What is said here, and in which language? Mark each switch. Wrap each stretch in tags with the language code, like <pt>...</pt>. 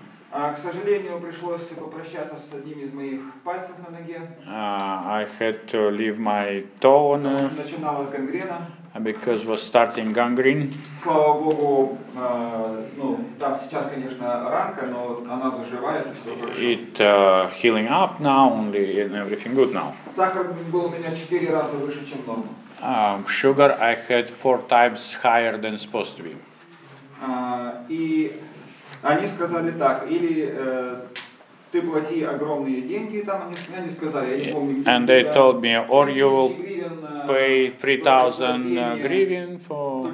<ru>К сожалению, пришлось попрощаться с одним из моих пальцев на ноге.</ru> <en>I had to leave my toe on.</en> <ru>Начиналась гангрена.</ru> <en>Because was starting gangrene.</en> <ru>Слава Богу, ну, там сейчас, конечно, ранка, но она заживает, и все хорошо.</ru> <en>It healing up now, only and everything good now.</en> <ru>Сахар был у меня 4 раза выше, чем норма.</ru> <en>Sugar I had 4 times higher than supposed to be.</en> <ru>И они сказали так: или ты плати огромные деньги там, они сказали, я не помню.</ru> <en>And they told me, or you will pay 3,000 гривен for</en>